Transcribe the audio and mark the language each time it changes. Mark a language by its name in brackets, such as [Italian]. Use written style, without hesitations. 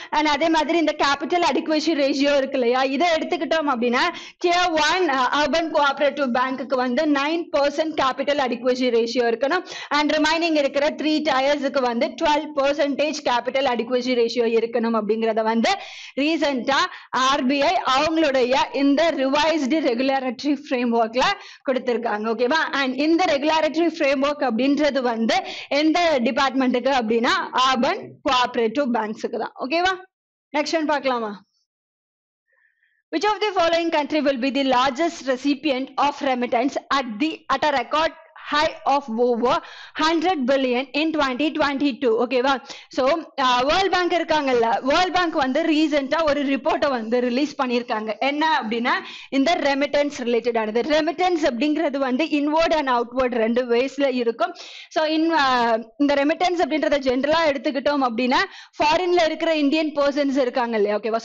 [Tamil] And அதே மாதிரி இந்த கேபிட்டல் அடிக்குவேஷன் ரேஷியோ இருக்கு இல்லையா, இதை எடுத்துக்கிட்டோம் அப்படின்னா டியர் ஒன் அர்பன் கோஆபரேட்டிவ் பேங்க்கு வந்து 9% கேபிட்டல் அடிக்குவேஷன் ரேஷியோ இருக்கணும், அண்ட் ரிமைனிங் இருக்கிற 3 டயர்ஸுக்கு வந்து 12% கேபிட்டல் அடிக்குவேஷன் ரேஷியோ இருக்கணும் அப்படிங்கறத வந்து ரீசெண்டா ஆர்பிஐ அவங்களுடைய இந்த ரிவைஸ்டு ரெகுலரட்டரி ஃப்ரேம் ஒர்க்ல கொடுத்திருக்காங்க, ஓகேவா? அண்ட் இந்த ரெகுலரேட்டரி ஃப்ரேம் ஒர்க் அப்படின்றது வந்து எந்த டிபார்ட்மெண்ட்டுக்கு அப்படின்னா அர்பன் கோஆபரேட்டிவ் பேங்க்ஸுக்கு தான், ஓகேவா? நெக்ஸ்ட் ஒன் பார்க்கலாமா? [English] Which of the following country will be the largest recipient of remittance at a record high of over 100 billion in 2022, okay? [Tamil] So, World Bank இருக்காங்க இல்ல, World Bank வந்து ரீசெண்டா ஒரு ரிப்போர்ட்டை வந்து ரிலீஸ் பண்ணியிருக்காங்க. என்ன அப்படின்னா இந்த ரெமிட்டன்ஸ் ரிலேட்டட் ஆனது. ரெமிட்டன்ஸ் அப்படிங்கிறது வந்து இன்வர்ட் அண்ட் அவுட்வர்ட் ரெண்டு வேஸ்ல இருக்கும். ஸோ இந்த ரெமிட்டன்ஸ் அப்படின்றத ஜென்ரலா எடுத்துக்கிட்டோம் அப்படின்னா ஃபாரின்ல இருக்கிற இந்தியன் பர்சன்ஸ் இருக்காங்க இல்லையா, ஓகேவா?